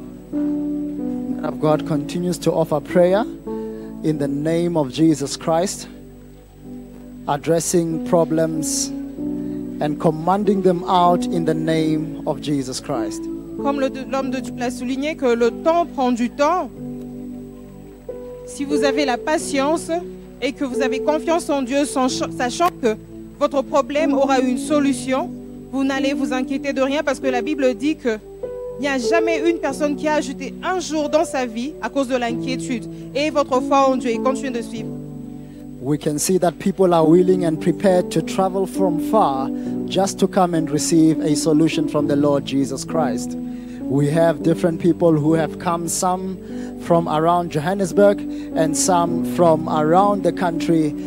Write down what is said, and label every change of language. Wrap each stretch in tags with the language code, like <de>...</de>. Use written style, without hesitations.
<en>Man of God continues to offer prayer in the name of Jesus Christ, addressing problems and commanding them out in the name of Jesus Christ.</en> <fr>Comme l'homme de Dieu l'a souligné, que le temps prend du temps. Si vous avez la patience et que vous avez confiance en Dieu, sachant que votre problème aura une solution, vous n'allez vous inquiéter de rien parce que la Bible dit que il n'y a jamais une personne qui a ajouté un jour dans sa vie à cause de l'inquiétude. Et votre foi en Dieu, continuez de suivre.</fr> <en>We can see that people are willing and prepared to travel from far just to come and receive a solution from the Lord Jesus Christ. We have different people who have come, some from around Johannesburg and some from around the country.</en>